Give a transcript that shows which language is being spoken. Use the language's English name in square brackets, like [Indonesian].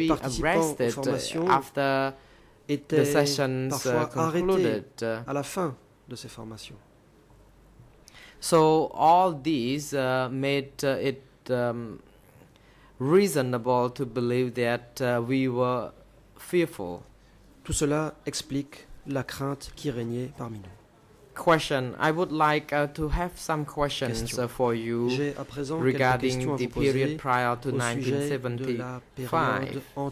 [English] be arrested after the sessions concluded. [French] À la fin de ces formations. [English] So all these made it reasonable to believe that we were fearful. [French] Tout cela explique la crainte qui régnait parmi nous. [English] Question. I would like to have some questions for you regarding the period prior to 1975.